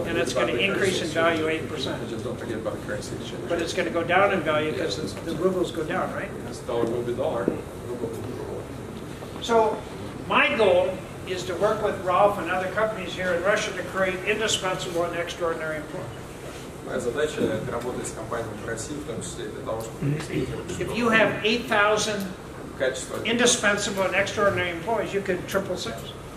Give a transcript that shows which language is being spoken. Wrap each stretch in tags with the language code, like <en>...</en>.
<en>and it's going to increase in value 8%. Just don't forget about the currency exchange. But it's going to go down in value because the rubles go down, right? Yes, dollar will be dollar. Ruble. So my goal is to work with Rolf and other companies here in Russia to create indispensable and extraordinary employment.</en> <ru>Моя задача – это работать с компаниями в России, в том числе для того, чтобы...</ru> <en>If you have 8,000... Indispensable and extraordinary employees, you could triple sales.</en>